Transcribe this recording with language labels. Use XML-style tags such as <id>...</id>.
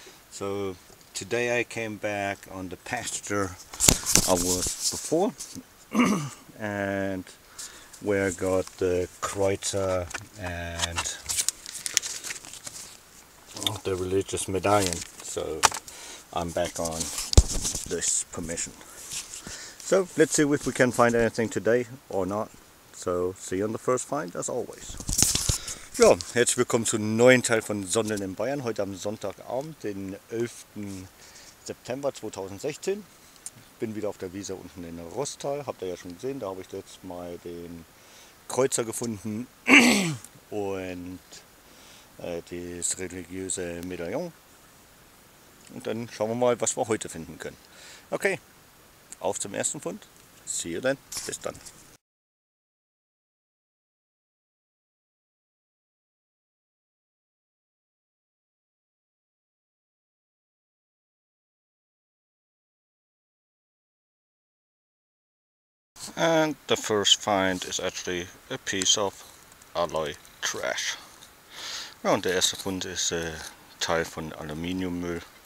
<en>So today I came back on the pasture I was before and where I got the Kreuzer and the religious medallion. So I'm back on this permission. So let's see if we can find anything today or not. So see you on the first find, as always.</en> <de>Ja, herzlich willkommen zum neuen Teil von Sondeln in Bayern. Heute am Sonntagabend, den 11. September 2016. Bin wieder auf der Wiese unten in Roßthal. Habt ihr ja schon gesehen, da habe ich jetzt mal den Kreuzer gefunden und das religiöse Medaillon. Und dann schauen wir mal, was wir heute finden können. Okay, auf zum ersten Fund.</de> <en>See you then.</en> <de>Bis dann.</de> <en>And the first find is actually a piece of alloy trash.</en> <de>Ja, und der erste Fund ist Teil von Aluminiummüll.</de>